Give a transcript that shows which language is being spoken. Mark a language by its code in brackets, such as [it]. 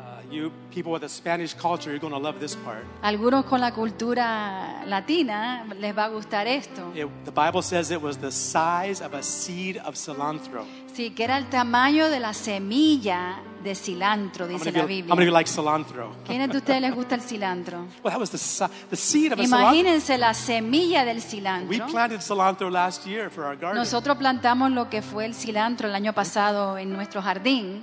[en] You people with the Spanish culture, you're going to love this part. [es] Algunos con la cultura latina les va a gustar esto. [en] The Bible says it was the size of a seed of cilantro. [es] Sí, que era el tamaño de la semilla de cilantro, dice la Biblia. [en] How many of you like cilantro? [es] ¿Quiénes de ustedes les gusta el cilantro? [en] Well, that was the seed of a [es] Imagínense [en] cilantro. [es] La semilla del cilantro. [en] We planted cilantro last year for our garden. [es] Nosotros plantamos lo que fue el cilantro el año pasado en nuestro jardín.